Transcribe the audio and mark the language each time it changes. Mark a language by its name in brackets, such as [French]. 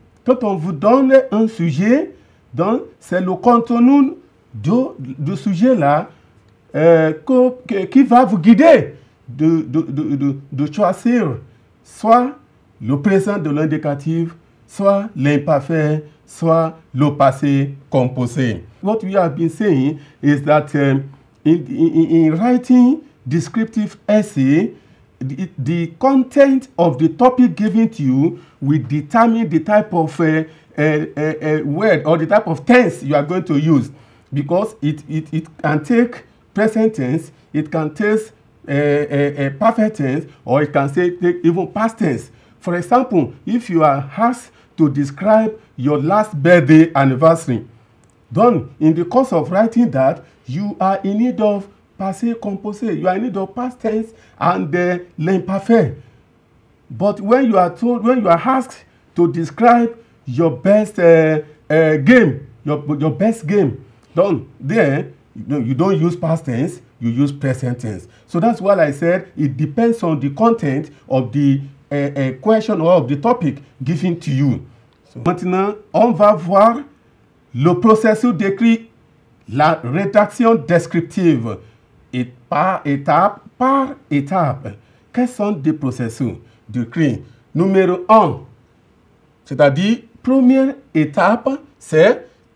[French] Quand on vous donne un sujet, donc c'est le contenu du sujet-là qui va vous guider de choisir soit le présent de l'indicatif, soit l'imparfait, soit le passé composé. [English] What we have been saying is that in writing descriptive essay, the content of the topic given to you will determine the type of word or the type of tense you are going to use, because it can take present tense, it can take a perfect tense, or it can say even past tense. For example, if you are asked to describe your last birthday anniversary, then in the course of writing that, you are in need of passé composé, you are in need of past tense and l'imparfait. But when you are told, when you are asked to describe your best game, your best game, then there, you don't use past tense, you use present tense. So that's why I said it depends on the content of the question or of the topic given to you. [French] So maintenant, on va voir le processus d'écrire la rédaction descriptive et par étape par étape. Quels sont les processus d'écrire? Numéro 1, c'est-à-dire première étape, c'est